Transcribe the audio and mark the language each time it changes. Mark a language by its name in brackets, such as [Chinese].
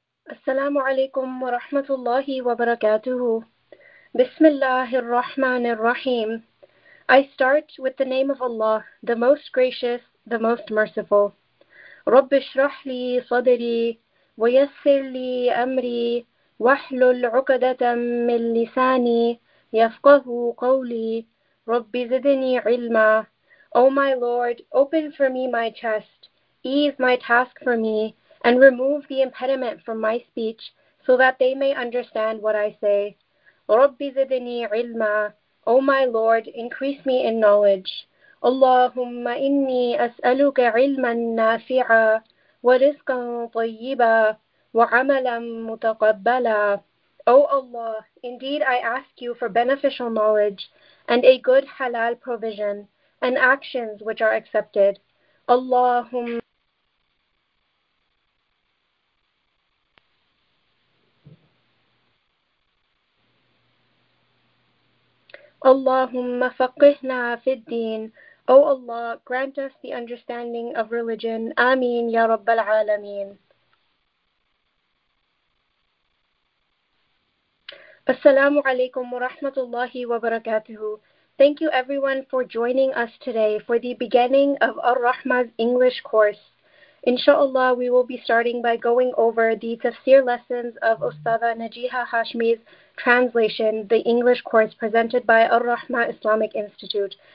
[Arabic] السلام عليكم ورحمة الله وبركاته. بسم الله الرحمن الرحيم. [English] I start with the name of Allah, the most gracious, the most merciful. [Arabic] رب اشرح لي صدري ويسر لي أمري واحلل عقدة من لساني يفقه قولي رب زدني علما. [English] O my Lord, open for me my chest, ease my task for me, and remove the impediment from my speech so that they may understand what I say. [Arabic] رَبِّ زِدْنِي عِلْمًا. [English] O my Lord, increase me in knowledge. [Arabic] اللهم إني أسألك علما نافعا ورزقا طيبا وعملا متقبلا. [English] O Allah, indeed I ask you for beneficial knowledge and a good halal provision and actions which are accepted. [Arabic] اللهم. اللهم فقهنا في الدين. [English] O Allah, grant us the understanding of religion. [Arabic] آمين يا رب العالمين. السلام عليكم ورحمة الله وبركاته. [English] Thank you everyone for joining us today for the beginning of Ar-Rahma's English course. Inshallah, we will be starting by going over the tafsir lessons of Ustada Najiha Hashmi's translation, the English course presented by Ar-Rahma Islamic Institute.